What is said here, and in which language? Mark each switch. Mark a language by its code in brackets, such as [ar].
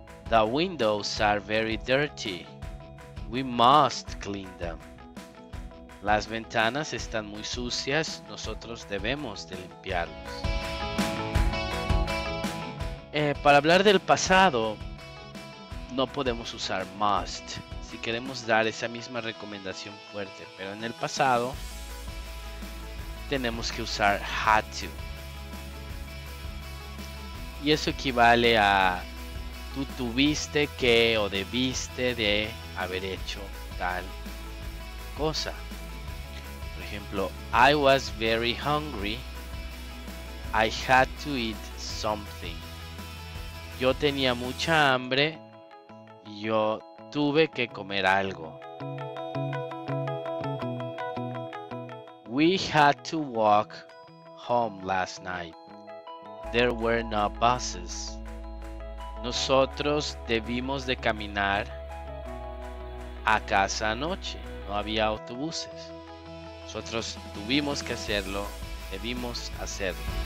[en] The windows are very dirty. We must clean them. [es] Las ventanas están muy sucias. Nosotros debemos de limpiarlas. Para hablar del pasado, no podemos usar must. Si queremos dar esa misma recomendación fuerte, pero en el pasado, tenemos que usar had to. Y eso equivale a tú tuviste que o debiste de haber hecho tal cosa. Por ejemplo, [en] I was very hungry. I had to eat something. [es] Yo tenía mucha hambre. Yo tuve que comer algo. [en] We had to walk home last night. There were no buses. [es] Nosotros debimos de caminar a casa anoche. No había autobuses. Nosotros tuvimos que hacerlo. Debimos hacerlo.